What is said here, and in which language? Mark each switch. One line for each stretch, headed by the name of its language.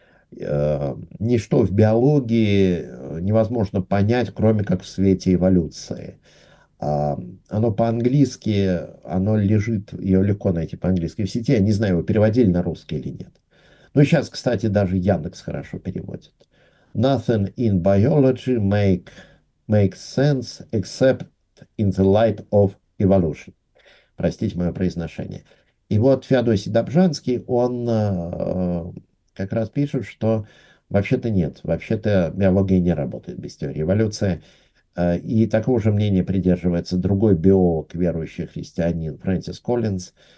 Russian: Ничто в биологии невозможно понять, кроме как в свете эволюции. Оно по-английски, оно лежит, ее легко найти по-английски в сети, я не знаю, его переводили на русский или нет. Ну, сейчас, кстати, даже Яндекс хорошо переводит.
English: Nothing in biology makes sense except in the light of evolution.
Russian: Простите мое произношение. И вот Феодосий Добжанский, он как раз пишет, что вообще-то нет, вообще-то биология не работает без теории эволюции. И такого же мнения придерживается другой биолог, верующий христианин Фрэнсис Коллинз.